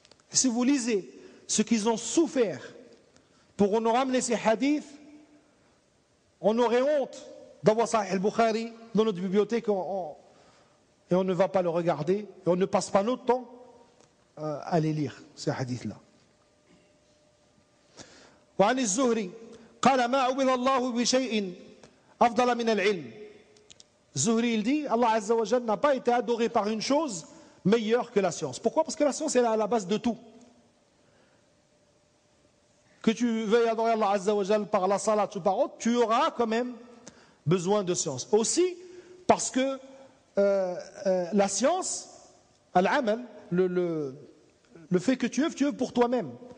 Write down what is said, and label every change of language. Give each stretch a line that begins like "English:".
French: Si vous lisez ce qu'ils ont souffert pour nous ramener ces hadiths, on aurait honte d'avoir Sahih al-Bukhari dans notre bibliothèque et on ne va pas le regarder, et on ne passe pas notre temps à les lire, ces hadiths-là.
Arabic: وعن الزهري قال ما عبد الله بشيء افضل من العلم.
French: الزهري il dit Allah Azza wa Jalla n'a pas été adoré par une chose meilleure que la science. Pourquoi? Parce que la science est à la base de tout. Que tu veuilles adorer Allah Azza wa Jalla par la salat ou par autre, tu auras quand même besoin de science. Aussi parce que la science, al-amal, le fait que tu œuvres pour toi-même.